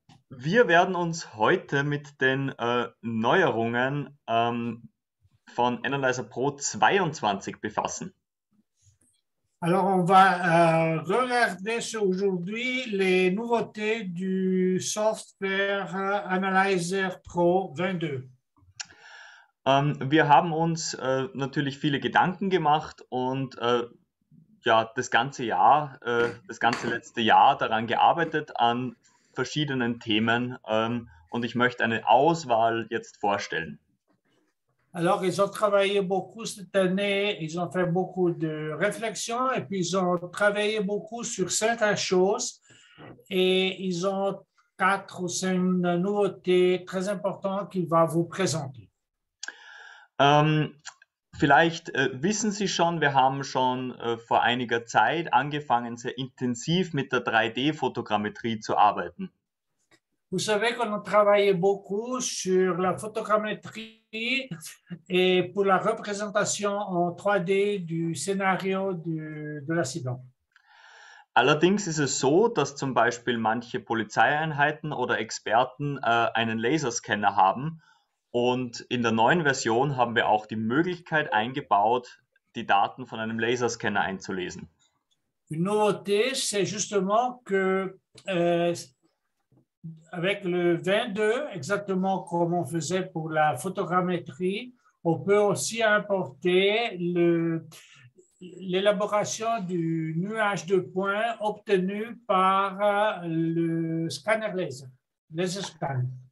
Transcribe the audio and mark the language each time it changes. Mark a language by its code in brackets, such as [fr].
[de] Wir werden uns heute mit den Neuerungen von Analyzer Pro 22 befassen. [fr] Alors, on va regarder aujourd'hui les nouveautés du software Analyzer Pro 22. [de] Wir haben uns natürlich viele Gedanken gemacht und ja, das ganze letzte Jahr daran gearbeitet an verschiedenen Themen und ich möchte eine Auswahl jetzt vorstellen. [fr] Alors, ils ont travaillé beaucoup cette année, ils ont fait beaucoup de réflexions et puis ils ont travaillé beaucoup sur certaines choses et ils ont quatre ou cinq nouveautés très importantes qu'ils vont vous présenter. [de] Vielleicht wissen Sie schon, wir haben schon vor einiger Zeit angefangen, sehr intensiv mit der 3D-Fotogrammetrie zu arbeiten. [fr] Vous savez qu'on a travaillé beaucoup sur la photogrammétrie et pour la représentation en 3D du scénario de l'accident. [de] Allerdings ist es so, dass zum Beispiel manche Polizeieinheiten oder Experten einen Laserscanner haben. Und in der neuen Version haben wir auch die Möglichkeit eingebaut, die Daten von einem Laserscanner einzulesen. [fr] Une nouveauté, c'est justement que avec le 22, exactement comme on faisait pour la photogrammétrie, on peut aussi importer l'élaboration du nuage de points obtenu par le scanner laser, laser scan.